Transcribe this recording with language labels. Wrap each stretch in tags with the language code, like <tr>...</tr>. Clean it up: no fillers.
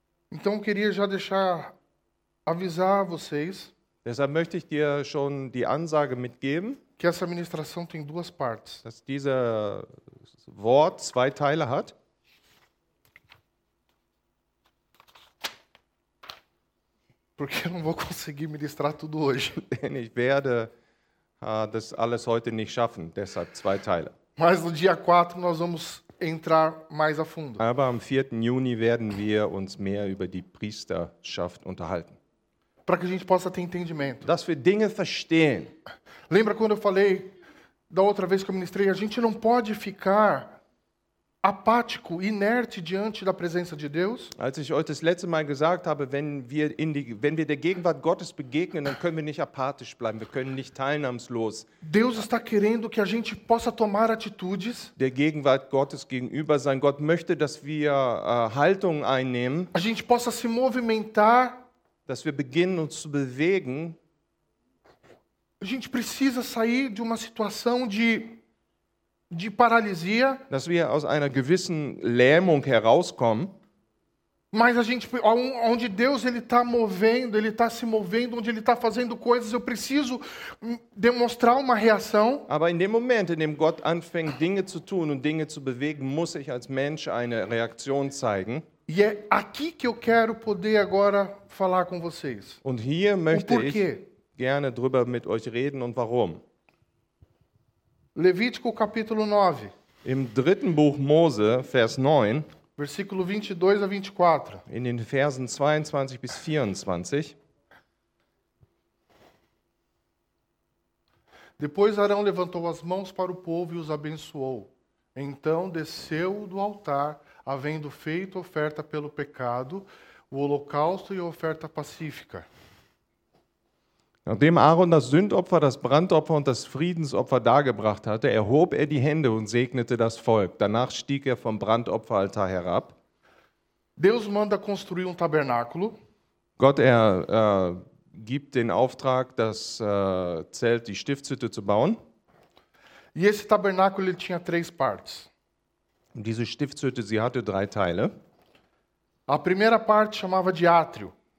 <pt>Então queria já deixar avisar vocês.</pt> <de>Deshalb möchte ich dir schon die Ansage mitgeben,</de> <pt>que essa ministração tem duas partes.</pt> <de>Dass dieser Wort zwei Teile hat.</de> <pt>Porque eu não vou conseguir ministrar tudo hoje.</pt> <de>Denn ich werde das alles heute nicht schaffen, deshalb zwei Teile.</de> <pt>Mas no dia 4 nós vamos entrar mais a fundo.</pt> <de>Aber am 4. Juni werden wir uns mehr über die Priesterschaft unterhalten.</de> <pt>Para que a gente possa ter entendimento.</pt> <de>Dass wir Dinge verstehen.</de> <pt>Lembra quando eu falei da outra vez que eu ministrei, a gente não pode ficar apático, inerte diante da presença de Deus?</pt> <de>Als ich euch das letzte Mal gesagt habe, wenn wir der Gegenwart Gottes begegnen, dann können wir nicht apathisch bleiben, wir können nicht teilnahmslos.</de> <pt>Deus está querendo que a gente possa tomar atitudes.</pt> <de>Der Gegenwart Gottes gegenüber sein. Gott möchte, dass wir Haltung einnehmen.</de> <pt>A gente possa se movimentar.</pt> <de>Dass wir beginnen uns zu bewegen.</de> <pt>A gente precisa sair de uma situação de paralisia.</pt> <de>Dass wir aus einer gewissen Lähmung herauskommen.</de> <pt>Mas a gente, onde Deus ele está movendo, ele está se movendo, onde ele está fazendo coisas, eu preciso demonstrar uma reação.</pt> <de>Aber in dem Moment, in dem Gott anfängt, Dinge zu tun und Dinge zu bewegen, muss ich als Mensch eine Reaktion zeigen.</de> <pt>E é aqui que eu quero poder agora falar com vocês.</pt> <de>Und hier möchte ich gerne drüber mit euch reden und warum.</de> <pt>Levítico capítulo 9.</pt> <de>Im dritten Buch Mose, Vers 9.</de> <pt>Versículo 22 a 24.</pt> <de>In den Versen 22 bis 24.</de> <pt>Depois Arão levantou as mãos para o povo e os abençoou. Então desceu do altar, havendo feito oferta pelo pecado, o holocausto e a oferta pacífica.</pt> <de>Nachdem Aaron das Sündopfer, das Brandopfer und das Friedensopfer dargebracht hatte, erhob er die Hände und segnete das Volk. Danach stieg er vom Brandopferaltar herab.</de> <pt>Deus manda construir um tabernáculo.</pt> <de>Gott, er gibt den Auftrag, das Zelt, die Stiftshütte zu bauen.</de> <pt>E esse tabernáculo, ele tinha três partes.</pt> <de>Und diese Stiftshütte, sie hatte drei Teile.</de> <pt>A primeira parte chamava de átrio.</pt>